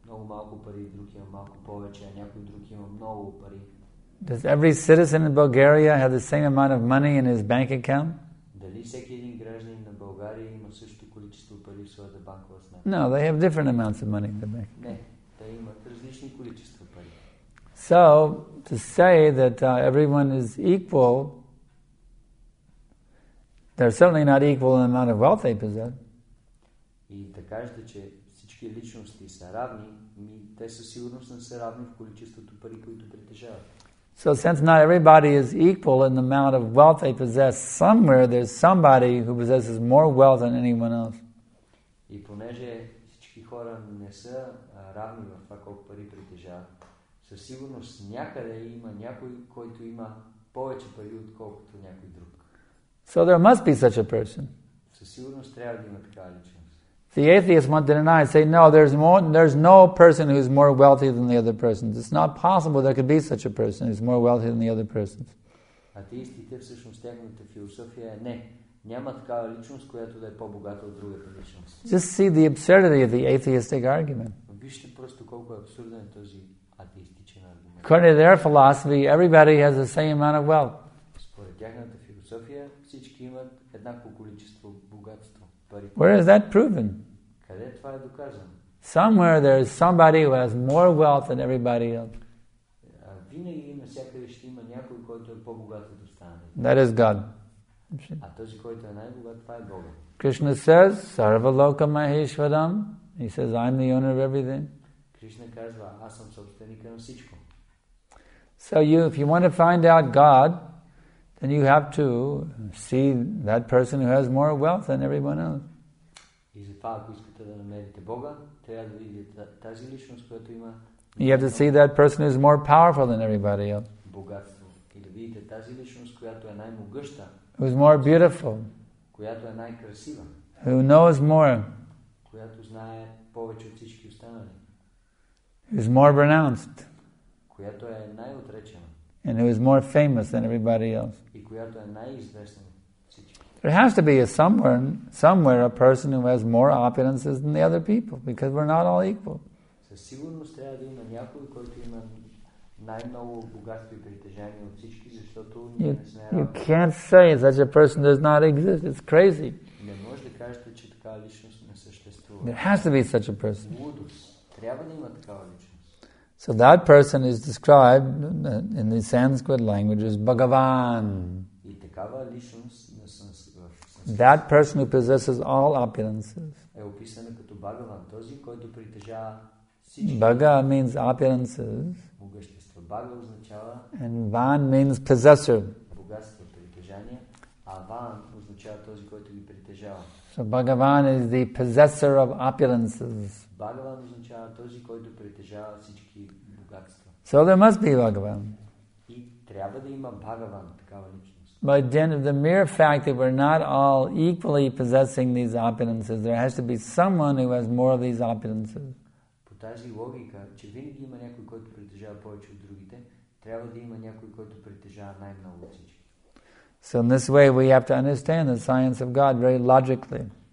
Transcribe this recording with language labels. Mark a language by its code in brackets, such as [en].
[bg] малко пари, друг има малко повече, а някой друг има много пари. [en] Does every citizen in Bulgaria have the same amount of money in his bank account? [bg] Дали всеки един гражданин на България има същото количество пари в своята банкова сметка? [en] No, they have different amounts of money in the bank. [bg] Не, те имат различни количества пари. [en] So, to say that everyone is equal, they're certainly not equal in the amount of wealth they possess. [bg] И да кажете, че всички личности са равни, ми, те със сигурност не са равни в количеството пари, които притежават. [en] So since not everybody is equal in the amount of wealth they possess, somewhere there's somebody who possesses more wealth than anyone else. [bg] И понеже всички хора не са равни в това колко пари притежават, със сигурност някъде има някой, който има повече пари, отколкото някой друг. [en] So there must be such a person. [bg] Със сигурност трябва да има такава личност. [en] The atheists want to deny, say, no, there's no person who's more wealthy than the other person. It's not possible there could be such a person who's more wealthy than the other person. [bg] Атеистите, всъщност, тяхната философия е не. Няма такава личност, която да е по-богата от другата личност. [en] Just see the absurdity of the atheistic argument. [bg] Вижте просто колко е абсурден този. [en] According to their philosophy, everybody has the same amount of wealth. [bg] Според тяхната философия, всички имат еднакво количество богатство. [en] Where is that proven? [bg] Къде това е доказано? [en] Somewhere there is somebody who has more wealth than everybody else. [bg] Винаги и навсякъде ще има някой, който е по-богат от останалите. [en] That is God. [bg] А този, който е най-богат, това е Бог. [en] Krishna says, [sa] Sarva Loka Maheshwaram. [en] He says, I'm the owner of everything. [bg] Кришна казва, аз съм собственик на всичко. [en] So if you want to find out God, then you have to see that person who has more wealth than everyone else. [bg] И за това, ако искате да намерите Бога, трябва да видите тази личност, която има. [en] You have to see that person who is more powerful than everybody else. [bg] Богатство. И да видите тази личност, която е най-могъща. [en] Who is more beautiful. [bg] Която е най-красива. [en] Who knows more. [bg] Която знае повече от всички останали. [en] Is more pronounced. [bg] Която е най-отречена. [en] And who is more famous than everybody else. [bg] И която е най-известна от всички. [en] There has to be somewhere a person who has more opulences than the other people, because we're not all equal. [bg] Със сигурност трябва да има някой, който има най-много богатство и притежание от всички, защото ние не сме равни. [en] You can't say such a person does not exist. It's crazy. [bg] Не може да кажете, че такава личност не съществува. There has to be such a person. Трябва да има такава личност. [en] So that person is described in the Sanskrit language as Bhagavan. [bg] И такава личност на санскрит. [en] That person who possesses all opulences. [bg] Е описана като Бхагаван, този, който притежава всички. [en] Бхага means opulences. [bg] Богатство. Бхага означава. [en] And Ван means possessor. [bg] Богатство, притежание. А Ван означава този, който ги притежава. [en] So Bhagavan is the possessor of opulences. [bg] Бхагаван означава този, който притежава всички богатства. [en] So there must be Bhagavan. [bg] И трябва да има Бхагаван, такава личност. [en] But then the mere fact that we're not all equally possessing these opulences, there has to be someone who has more of these opulences. [bg] По тази логика, че винаги има някой, който притежава повече от другите, трябва да има някой, който притежава най-много от всички. [en] So in this way we have to understand the science of God very logically.